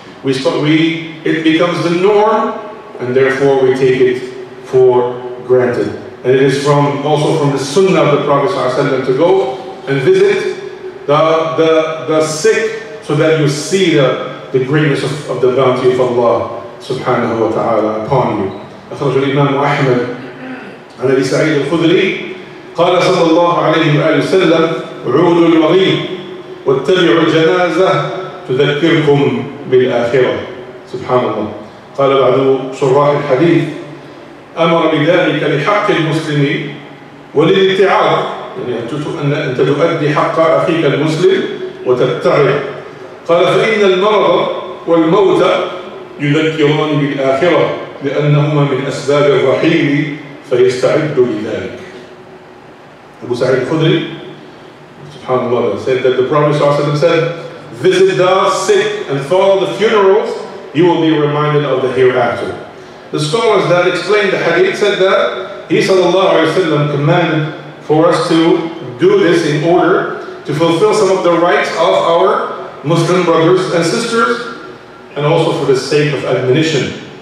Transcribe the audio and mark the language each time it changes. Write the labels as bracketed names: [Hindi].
[English] It becomes the norm, and therefore we take it for granted. And it is from the sunnah of the Prophet sallallahu alaihi wasallam to go and visit the sick so that you see the greatness of the bounty of Allah subhanahu wa ta'ala upon you. [Arabic] أخرج الإمام أحمد عن أبي سعيد الخدري قال صلى الله عليه وآله وسلم عودوا المريض واتبعوا الجنازة تذكركم بالآخرة. سبحان الله. قال بعض شراح الحديث أمر بذلك لحق المسلم وللاتعاظ، يعني أن تؤدي حق أخيك المسلم وتتعظ. قال فإن المرض والموت يذكران بالآخرة لأنهما من أسباب الرحيل فيستعد لذلك. [English] Abu Sa'id al-Khudri, subhanAllah, said that the Prophet ﷺ said, visit the sick and follow the funerals, you will be reminded of the hereafter. The scholars that explained the hadith said that he sallallahu alayhi wa sallam commanded for us to do this in order to fulfill some of the rights of our Muslim brothers and sisters, and also for the sake of admonition.